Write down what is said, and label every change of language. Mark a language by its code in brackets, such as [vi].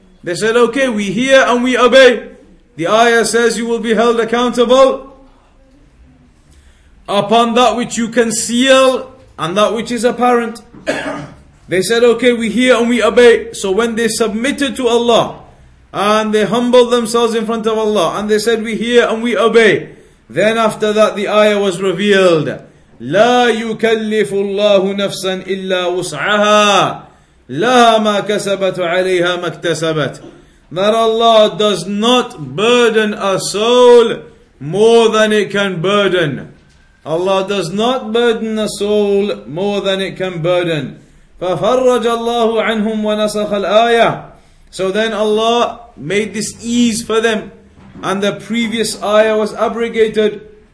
[en] They said, okay, we hear and we obey. The ayah says you will be held accountable upon that which you conceal and that which is apparent. They said, okay, we hear and we obey. So when they submitted to Allah and they humbled themselves in front of Allah and they said, we hear and we obey. Then after that, the ayah was revealed. [ar] لا يكلف الله نفسا إلا وسعها لَهَا مَا كَسَبَتْ وَعَلَيْهَا مَا اكْتَسَبَتْ. [en] That Allah does not burden a soul more than it can burden. Allah does not burden a soul more than it can burden. [ar] فَفَرَّجَ اللَّهُ عَنْهُمْ وَنَسَخَ الْآيَةِ. [en] So then Allah made this ease for them, and the previous ayah was abrogated.